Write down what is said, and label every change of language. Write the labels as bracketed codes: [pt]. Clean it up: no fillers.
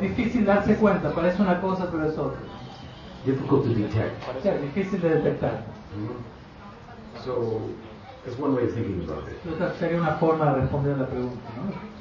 [es] Difícil darse cuenta, parece una cosa pero es otra. [en] Difficult to detect. [es] Yeah, difícil de detectar. Mm-hmm. [en] So, it's one way of thinking about it. [es] Otra sería una forma de responder la pregunta, ¿no?